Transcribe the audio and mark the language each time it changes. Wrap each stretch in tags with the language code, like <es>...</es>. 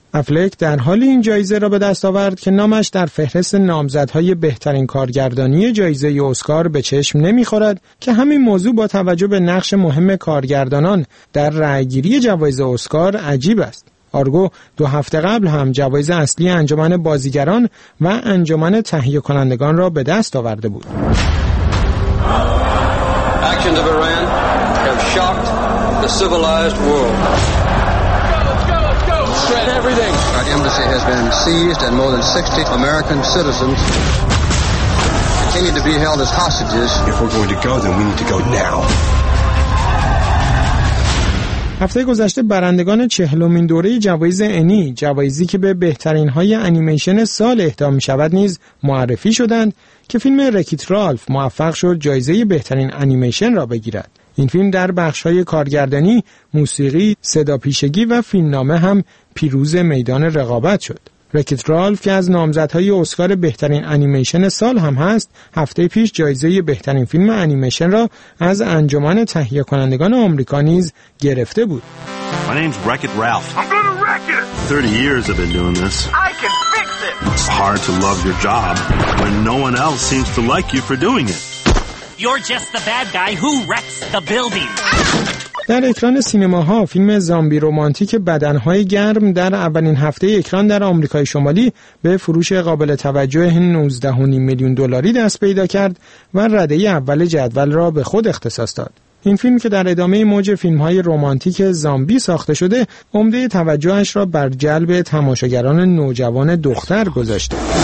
<fa>افلک در حالی این جایزه را به دست آورد که نامش در فهرست نامزدهای بهترین کارگردانی جایزه اسکار به چشم نمی‌خورد که همین موضوع با توجه به نقش مهم کارگردانان در رأی‌گیری جوایز اسکار عجیب است. آرگو دو هفته قبل هم جوایز اصلی انجمن بازیگران و انجمن تهیه کنندگان را به دست آورده بود.</fa> <en>Actions of Iran have shocked the civilized world. Spread everything. Our embassy has been seized and more than 60 American citizens continue to be held as hostages. If we're going to go, then we need to go now.</en> <fa>هفته گذشته برندگان 40مین دوره جوایز انی، جوایزی که به بهترین های انیمیشن سال اهدا می‌شود نیز معرفی شدند که فیلم رکیت رالف موفق شد جایزه بهترین انیمیشن را بگیرد. این فیلم در بخش های کارگردانی، موسیقی، صداپیشگی و فیلمنامه هم پیروز میدان رقابت شد. رکیت رالف که از نامزدهای اسکار بهترین انیمیشن سال هم هست، هفته پیش جایزه بهترین فیلم انیمیشن را از انجمن تهیه کنندگان آمریکا نیز گرفته بود.</fa> <en>My name's Wreck-It Ralph. I'm gonna wreck it. 30 years I've been doing this. I can fix it. It's hard to love your job when no one else seems to like you for doing it. You're just the bad guy who wrecks the building.</en> <fa>در اکران سینماها فیلم زامبی رومانتیک بدنهای گرم در اولین هفته اکران در آمریکای شمالی به فروش قابل توجه 19.5 میلیون دلاری دست پیدا کرد و رده اول جدول را به خود اختصاص داد. این فیلم که در ادامه موج فیلم‌های رمانتیک زامبی ساخته شده، عمده توجهش را بر جلب تماشاگران نوجوان دختر گذاشته.</fa>